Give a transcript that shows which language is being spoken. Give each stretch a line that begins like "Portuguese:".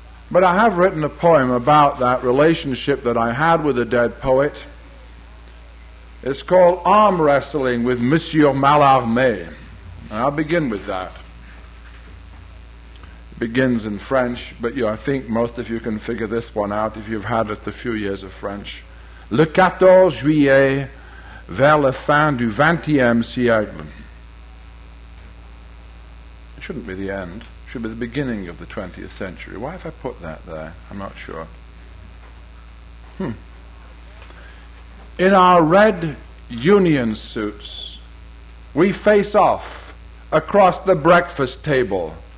English: But I have written a poem about that relationship that I had with a dead poet. It's called Arm Wrestling with Monsieur Mallarmé. And I'll begin with that. It begins in French, but you, I think most of you can figure this one out if you've had just a few years of French.
French: Le 14 juillet, vers la fin du 20e siècle.
English: It shouldn't be the end. It should be the beginning of the 20th century. Why have I put that there? I'm not sure. In our red union suits, we face off across the breakfast table.